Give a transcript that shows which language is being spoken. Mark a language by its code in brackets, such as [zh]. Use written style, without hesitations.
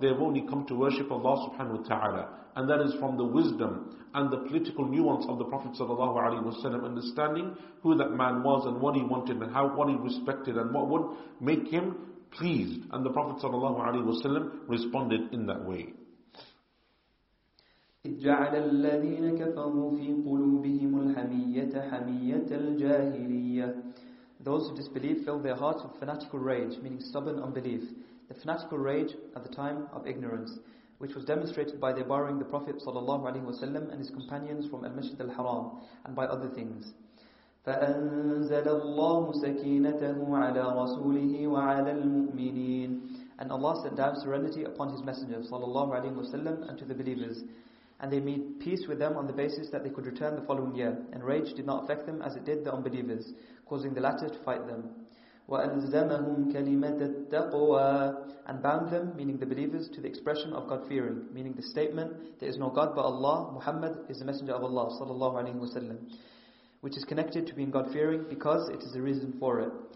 [en] They have only come to worship Allah subhanahu wa ta'ala. And that is from the wisdom and the political nuance of the Prophet sallallahu alaihi wasallam, understanding who that man was and what he wanted and how, what he respected and what would make him pleased. And the Prophet sallallahu alaihi wasallam responded in that way. [ar] جعل الذين كفروا في قلوبهم الحمية حمية الجاهلية. [en] Those who disbelieved filled their hearts with fanatical rage, meaning stubborn unbelief, the fanatical rage at the time of ignorance, which was demonstrated by their borrowing the Prophet sallallahu alaihi wasallam and his companions from al-Masjid al-Haram and by other things. [ar] فأنزل الله سكينته على رسوله وعلى المؤمنين. [en] And Allah sent down serenity upon His Messenger sallallahu alaihi wasallam and to the believers. And they made peace with them on the basis that they could return the following year. And rage did not affect them as it did the unbelievers, causing the latter to fight them. [ar] وَأَلْزَمَهُمْ كَلِمَةَ التَّقْوَى. [en] And bound them, meaning the believers, to the expression of God-fearing, meaning the statement, there is no God but Allah, Muhammad is the Messenger of Allah, sallallahu alaihi wasallam, which is connected to being God-fearing because it is the reason for it.